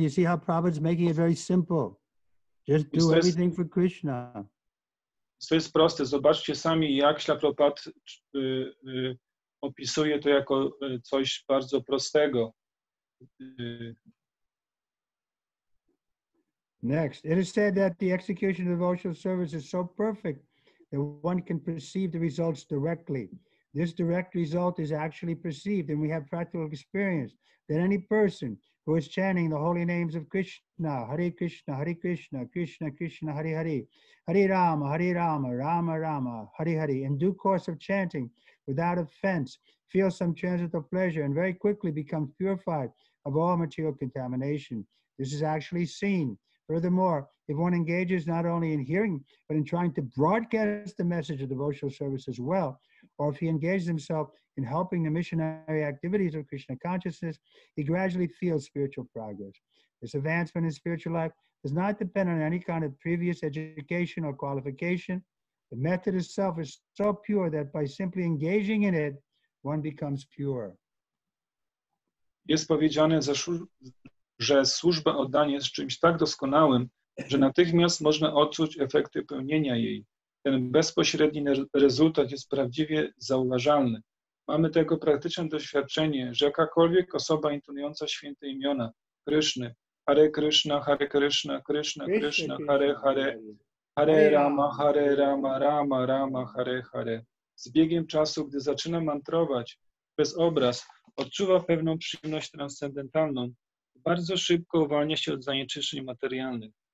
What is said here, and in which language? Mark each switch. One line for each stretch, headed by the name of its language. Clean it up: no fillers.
English: You see how Prabhupada's making it very simple. Just do everything for Krishna.
Polish: To jest proste. Zobaczcie sami, jak Śrīla Prabhupāda opisuje to jako coś bardzo prostego.
English: Next. It is said that the execution of devotional service is so perfect that one can perceive the results directly. This direct result is actually perceived, and we have practical experience that any person who is chanting the holy names of Krishna, Hare Krishna, Hare Krishna, Krishna Krishna, Hare Hare, Hare Rama, Hare Rama, Rama Rama, Hare Hare, in due course of chanting without offense, feels some transitory pleasure and very quickly becomes purified of all material contamination. This is actually seen. Furthermore, if one engages not only in hearing, but in trying to broadcast the message of devotional service as well, or if he engages himself in helping the missionary activities of Krishna consciousness, he gradually feels spiritual progress. This advancement in spiritual life does not depend on any kind of previous education or qualification. The method itself is so pure that by simply engaging in it, one becomes pure.
Polish: Jest powiedziane, że służba oddania jest czymś tak doskonałym, że natychmiast można odczuć efekty pełnienia jej. Ten bezpośredni rezultat jest prawdziwie zauważalny. Mamy tego praktyczne doświadczenie, że jakakolwiek osoba intonująca święte imiona Kryszny, Hare Krishna, Hare Krishna, Krishna Krishna, Hare Hare, Hare Rama, Rama Rama, Hare Hare, z biegiem czasu, gdy zaczyna mantrować bez obraz, odczuwa pewną przyjemność transcendentalną, bardzo szybko uwalnia się od zanieczyszczeń materialnych.